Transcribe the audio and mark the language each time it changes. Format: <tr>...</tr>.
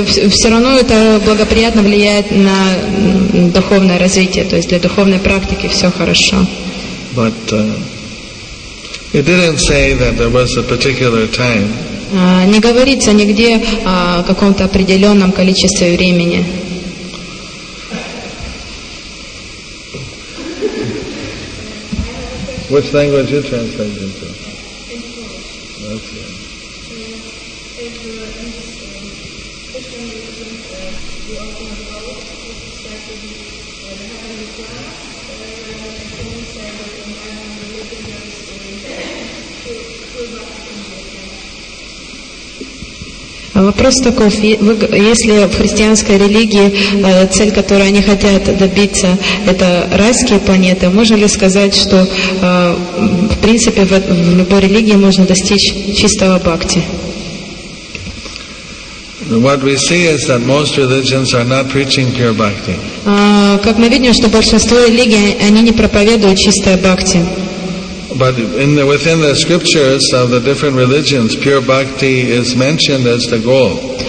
<ru>Все равно это благоприятно влияет на духовное развитие, то есть для духовной практики все хорошо.</ru> <en>But it didn't say that there was a particular time.</en> <ru>Не говорится нигде о каком-то определенном количестве времени.</ru> <en>Which language are you translating into? Into</en> <ru>Вопрос такой, если в христианской религии цель, которую они хотят добиться, это райские планеты, можно ли сказать, что в принципе в любой религии можно достичь чистого бхакти?</ru> <en>What we see is that most religions are not preaching pure bhakti.</en> <ru>Как мы видим, что большинство религий, они не проповедуют чистое бхакти.</ru> <en>But within the scriptures of the different religions, pure bhakti is mentioned as the goal.</en>